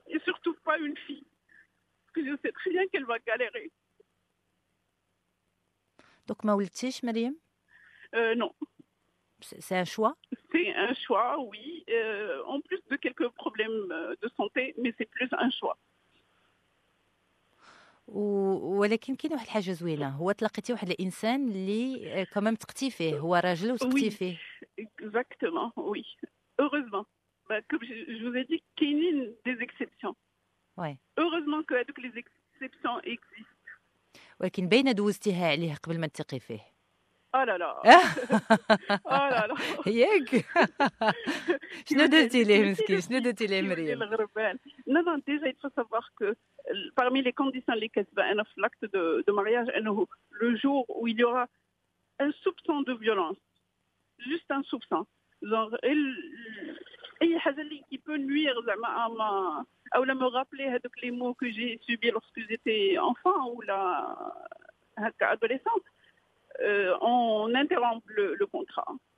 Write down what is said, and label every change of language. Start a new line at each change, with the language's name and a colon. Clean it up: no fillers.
French: Et surtout pas une fille. Je sais très bien qu'elle va galérer. Donc, Meryem ? Non. C'est un choix ? C'est un choix, oui. En plus de quelques problèmes de santé, mais c'est plus un choix.
Arabic: ولكن كاين واحد الحاجه زوينه هو تلاقيتي واحد الانسان اللي كمان تقتي فيه هو راجل وتقتي فيه.
French: Exactement, oui. Heureusement. Comme je vous ai dit, كاينين des exceptions. Ouais. Heureusement que donc, les exceptions existent. Ouais, qu'une belle nouvelle, c'est qu'elle est capable de se réfier. Oh là là. Oh là là.
Arabic: ياك شنو درتي ليه مسكين؟ شنو درتي ليه مريم؟
French: non, déjà il faut savoir que parmi les conditions les
Arabic: كتب انا في لاكت دو مارياج انه
French: le jour où il y aura un soupçon de violence, juste un soupçon, genre il y a
Arabic: حاجه اللي
French: qui peut nuire زعما à ma ou la me rappeler
Arabic: هذوك
French: les mots que j'ai subi lorsque j'étais enfant ou la adolescente, on interrompt le contrat.